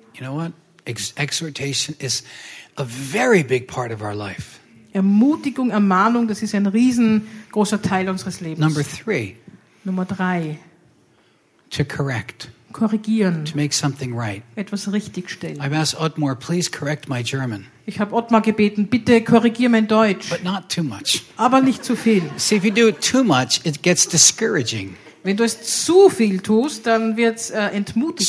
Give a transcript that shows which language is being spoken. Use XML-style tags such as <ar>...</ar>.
<en>You know what? Exhortation is a very big part of our life.</en> <de>Ermutigung, Ermahnung, das ist ein riesengroßer Teil unseres Lebens. Nummer drei.</de> <en>To correct.</en> <de>Korrigieren.</de> <en>To make something right.</en> <de>Etwas richtigstellen.</de> <en>I've asked Otmar, please correct my German.</en> <de>Ich habe Otmar gebeten, bitte korrigier mein Deutsch.</de> <en>But not too much.</en> <de>Aber nicht zu viel.</de> <en>See, if you do it too much, it gets discouraging.</en> <de>Wenn du es zu viel tust, dann wird es entmutigend.</de>